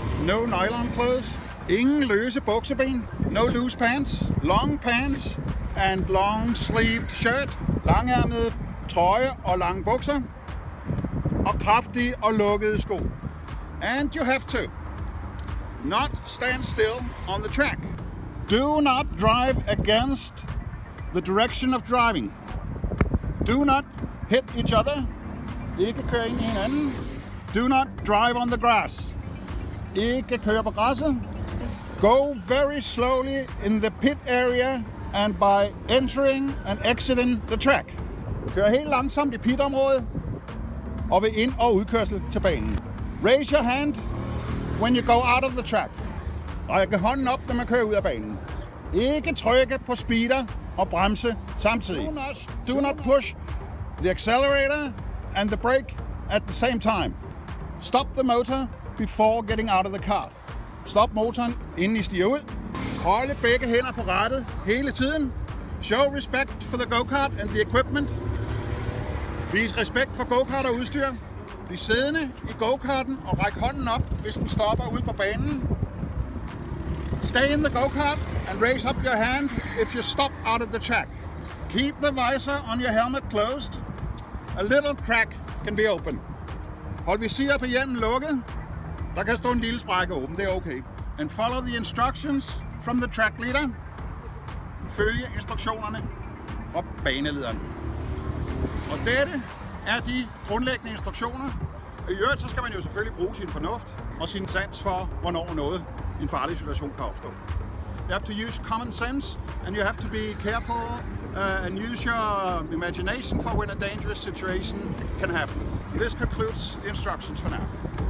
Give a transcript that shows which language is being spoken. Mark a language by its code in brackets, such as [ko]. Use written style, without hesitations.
[en] No nylon clothes. [da] Ingen løse bukseben. [en] No loose pants. Long pants and long sleeved shirt. [da] Langærmede trøje og lange bukser. Og kraftige og lukkede sko. [en] And you have to. Not stand still on the track. Do not drive against the direction of driving. Do not hit each other. [da] Ikke køre ind i hinanden. [en] Do not drive on the grass. [da] Ikke køre på græsset. [en] Go very slowly in the pit area and by entering and exiting the track. [da] Kør helt langsomt i pitområdet og ved ind- og udkørsel til banen. [en] Raise your hand when you go out of the track. [da] Række hånden op, når man kører ud af banen. Ikke trykke på speeder og bremse samtidig. [en] Do not push the accelerator and the brake at the same time. Stop the motor before getting out of the car. [da] Stop motoren, inden I stiger ud. Holde begge hænder på rattet hele tiden. [en] Show respect for the go-kart and the equipment. [da] Vis respekt for go-kart og udstyr. Bliv siddende i go-karten og ræk hånden op, hvis den stopper ude på banen. [en] Stay in the go-kart and raise up your hand if you stop out of the track. Keep the visor on your helmet closed. A little crack can be open. [da] Hold visiret på hjelmen lukket. Der kan stå en lille sprække åben, det er okay. [en] And follow the instructions from the track leader. [da] Følge instruktionerne fra banelederen. Og dette er de grundlæggende instruktioner. Og i øvrigt så skal man jo selvfølgelig bruge sin fornuft og sin sans for, hvornår noget en farlig situation kan opstå. [en] You have to use common sense, and you have to be careful and use your imagination for when a dangerous situation can happen. This concludes instructions for now.